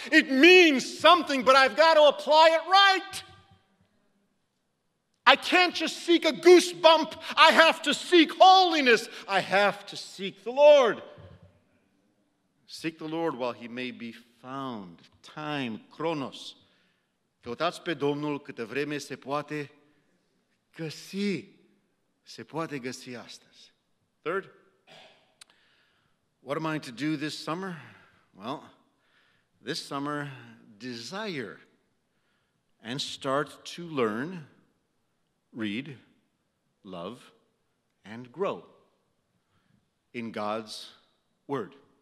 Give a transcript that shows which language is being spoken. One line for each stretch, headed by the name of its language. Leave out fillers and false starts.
English: It means something, but I've got to apply it right. I can't just seek a goosebump. I have to seek holiness. I have to seek the Lord. Seek the Lord while he may be found. Time, chronos.
Romanian: Căutați pe Domnul câtă vreme se poate găsi. Se poate găsi astăzi.
English: Third, what am I to do this summer? Well, this summer, desire and start to learn, read, love, and grow in God's Word.